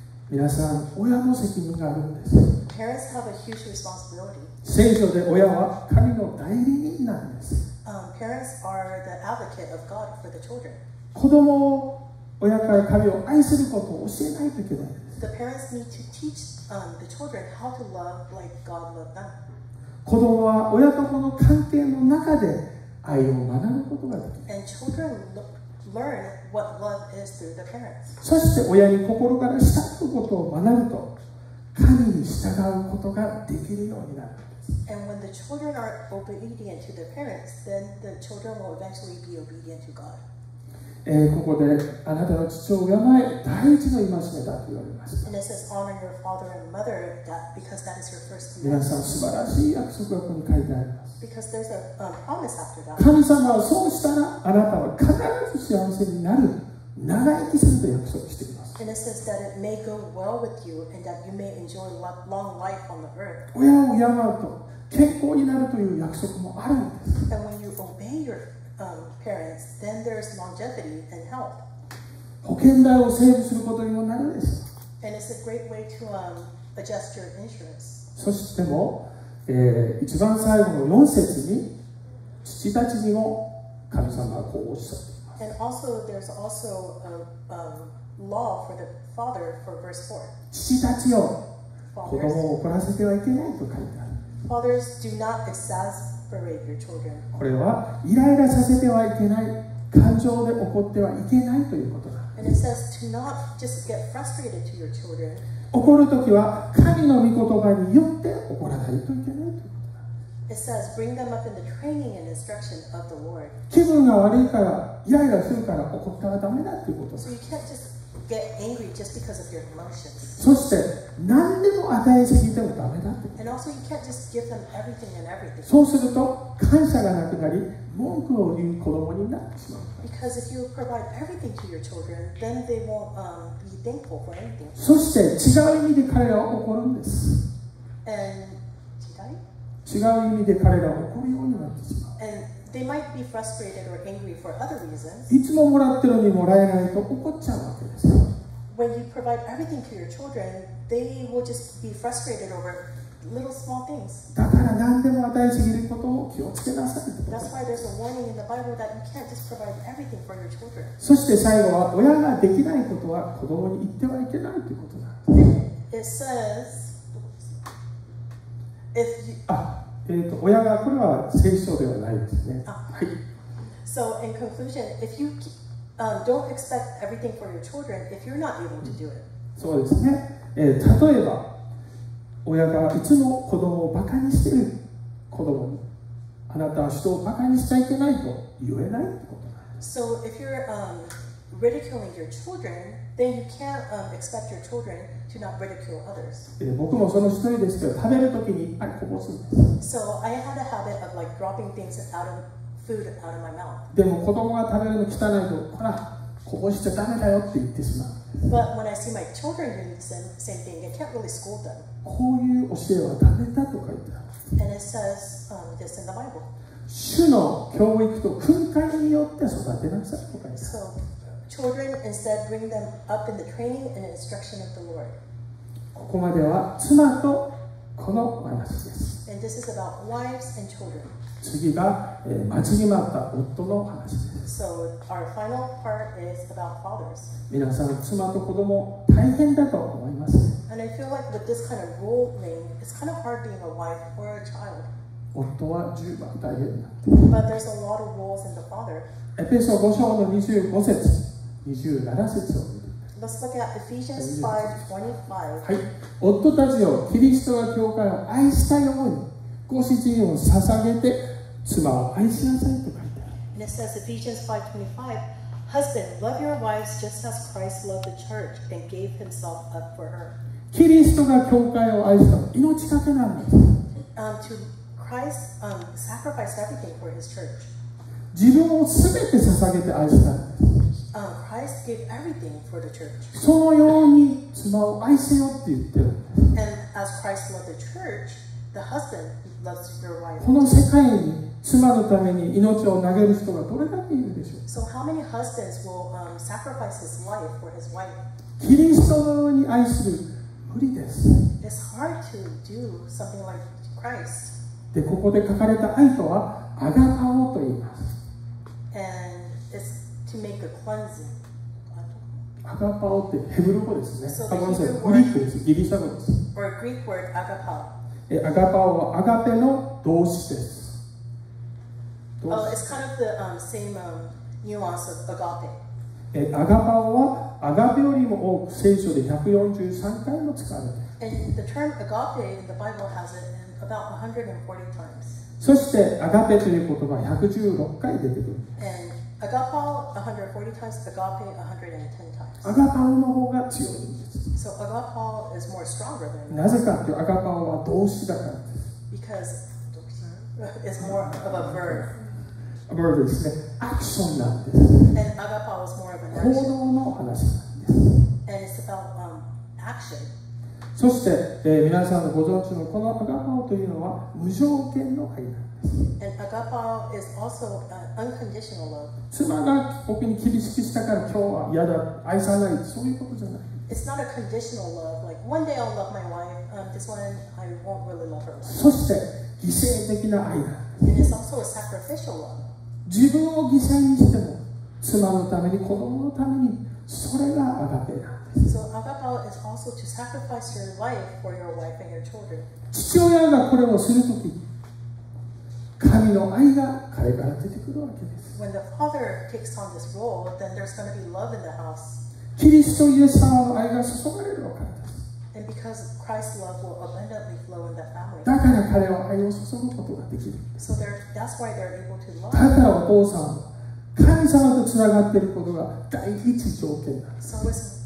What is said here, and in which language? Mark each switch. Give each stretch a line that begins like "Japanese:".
Japanese: 皆さん親の責任があるんです。
English: Parents have a huge responsibility.
Japanese: 聖書で親は神の代理人なんです。
English: Parents are the advocate of God for the children.
Japanese: 子供を親から神を愛することを教えないといけないんです。
English: The parents need to teach the children how to love like God loved them.
Japanese: 子供は親と子の関係の中で愛を学ぶことができる。
English: And children learn what love is through the parents.
Japanese: そして親に心から慕うことを学ぶと神に従うことができるようになるんです。
English: And when the children are obedient to their parents, then the children will eventually be obedient to God.
Japanese: ここであなたの父親を敬え、第一の戒めだと言われます。
English: And it says honor your father and mother, that because that is your first commandment.
Japanese: 皆さん素晴らしい約束がここに書いてあります。
English: Because there's a promise after that.
Japanese: 神様はそうしたらあなたは必ず幸せになる、長生きすると約束しています。
English: And it says that it may go well with you and that you may enjoy long life on the earth.
Japanese: 親を敬うと健康になるという約束もあるんです。
English: And when you obey your parents, then there's longevity and health.
Japanese: 保険代をセーブすることにもなるんです。
English: And it's a great way to adjust your insurance.
Japanese: そしても、一番最後の4節に父たちにも神様はこうおっしゃっています。
English: And also, there's also a law for the father for verse 4.
Japanese: 父たちよ、子供を怒らせてはいけないと書いてある。
English: Fathers, do not exasperate your children.
Japanese: これはイライラさせてはいけない、感情で怒ってはいけないということだ。
English: And it says, do not just get frustrated to your children.
Japanese: 怒るときは神の御言葉によって怒らないといけないということだ。
English: It says, bring them up in the training and instruction of the Lord.
Japanese: 気分が悪いからイライラするから怒ったらダメだということだ。
English: So you can't just get angry just because of your emotions.
Japanese: そして何でも与えすぎてもダメだ。
English: And also you can't just give them everything and everything.
Japanese: そうすると感謝がなくなり文句を言う子供になってしまう。
English: Because if you provide everything to your children, then they won't be thankful for anything.
Japanese: そして違う意味で彼らは怒るんです。
English: And
Japanese: 違う意味で彼らは怒るようになってしまう。
English: And they might be frustrated or angry for other reasons.
Japanese: いつももらってるのにもらえないと怒っちゃうわけです。
English: When you provide everything to your children, they will just be frustrated over little small things.
Japanese: だから何でも与えすぎることを気をつけなさい。
English: That's why there's a warning in the Bible that you can't just provide everything for your children.
Japanese: そして最後は親ができないことは子供に言ってはいけないということだ。
English: It says if you...
Japanese: 親がこれは聖書ではないですね。はい。
English: So in conclusion, if you don't expect everything for your children, if you're not able to do it.
Japanese: そうですね。例えば親がいつも子供をバカにしている子供に、あなたは人をバカにしちゃいけないと言えないってことなんです。
English: So if you're ridiculing your children, then you can't expect your children to not ridicule others.
Japanese: 僕もその一人ですけど、食べるときにあれこぼすんです。
English: So I had a habit of like dropping things out of food out of my mouth.
Japanese: でも子供が食べるの汚いと、ほらこぼしちゃダメだよって言ってしまう。
English: But when I see my children doing the same thing, I can't really scold them.
Japanese: こういう教えはダメだと書いてある。
English: And it says this in the Bible.
Japanese: 主の教育と訓戒によって育てなさいと書いてある。
English: So, children, instead, bring them up in the training and instruction of the Lord.
Japanese: ここまでは妻とこの話です。
English: And this is about wives and children.
Japanese: 次が、待ちに待った夫の話です。
English: So our final part is about fathers.
Japanese: 皆さん妻と子供大変だと思います。
English: And I feel like with this kind of role playing, it's kind of hard being a wife or a child.
Japanese: 夫は十分大変だ。
English: But there's a lot of roles in the father.
Japanese: エペソ5章の25節、27節を。
English: Let's look at Ephesians 5:25.
Japanese: はい、夫たちよ、キリストが教会を愛したように、ご主人を捧げて妻を愛しなさいと。
English: And it says Ephesians 5:25, husband, love your wives just as Christ loved the church and gave himself up for her.
Japanese: キリストが教会を愛した命かけなんです。
English: To Christ, sacrificed everything for his church.
Japanese: 自分をすべて捧げて愛したんです。
English: Christ gave everything for the church.
Japanese: そのように妻を愛せよって言ってる。
English: And as Christ loved the church, the husband loves your wife.
Japanese: この世界に妻のために命を投げる人がどれだけいるでしょう。
English: So how many husbands will sacrifice his life for his wife?
Japanese: キリストのように愛する無理です。
English: It's hard to do something like Christ.
Japanese: でここで書かれた愛とはアガパオと言います。
English: And it's to make a cleansing.
Japanese: アガパオってヘブル語ですね。
English: So the Hebrew word,
Japanese: グリックです、ギリシャ語です。
English: Or a Greek word, アガパオ。
Japanese: アガパオはアガペの動詞です。
English: It's kind of the nuance of agape.
Japanese: アガパオはアガペよりも多く聖書で143回も使われている。
English: And the term agape in the Bible has it in about 140 times.
Japanese: そしてアガペという言葉は116回出てくる。
English: And Agapao 140 times, agape 110 times.
Japanese: Agapao の方が強い。
English: So agapao is more stronger than.
Japanese: なぜかというと、agapao は動詞だから。
English: Because it's more of a verb.
Japanese: A verb ですね。アクションなんです。
English: And agapao is more of an action.
Japanese: 行動の話なんです。
English: And it's about action.
Japanese: そして、皆さんのご存知のこのアガパオというのは無条件の愛なんです。妻が僕に厳しくしたから今日は嫌だ、愛さない、そういうことじゃない。
English: It's not a conditional love. Like one day I'll love my wife. This one I won't really love her.
Japanese: そして犠牲的な愛なんです。
English: And it's also a sacrificial love.
Japanese: 自分を犠牲にしても妻のために子供のためにそれがアガペなんです。
English: So agapao is also to sacrifice your life for your wife and your children.
Japanese: 父親がこれをするとき、神の愛が彼から出てくるわけです。
English: When the father takes on this role, then there's going to be love in the house.
Japanese: キリストイエス様の愛が注がれるのか。
English: And because Christ's love will abundantly flow in the family.
Japanese: だから彼は愛を注ぐことができる。
English: So that's why they're able to love.
Japanese: だからお父さん、神様とつながっていることが第一条件なんです。